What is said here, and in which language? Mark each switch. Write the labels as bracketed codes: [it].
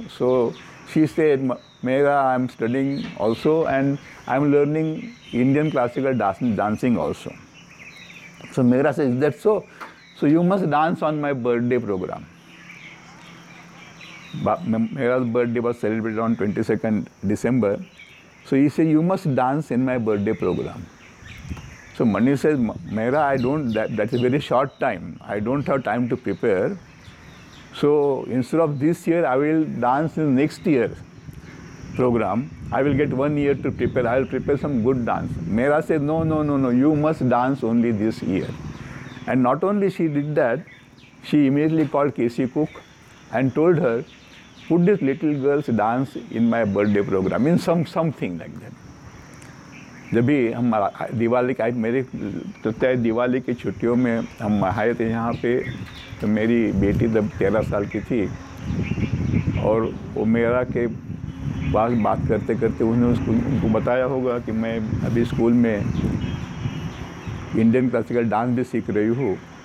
[en] So she said Mehra I am studying also and I am learning Indian classical dancing also. So Mehra says that so so you must dance on my birthday programme. Mehra birthday was celebrated on 22nd December. So you say you must dance in my birthday programme. So Mani says, Mehra, I don't, that's a very short time. I don't have time to prepare. So instead of this year, I will dance in next year's program. I will get 1 year to prepare. I will prepare some good dance. Mehra says, no, you must dance only this year. And not only she did that, she immediately called Casey Cook and told her, put this little girl's dance in my birthday program, in something like that. [hi] जब भी हम दिवाली का मेरे तो दिवाली की छुट्टियों में हम आए थे यहाँ पे, तो मेरी बेटी जब 13 साल की थी और वो मेरा के पास बात करते करते उन्होंने उनको बताया होगा कि मैं अभी स्कूल में इंडियन क्लासिकल डांस भी सीख रही हूँ.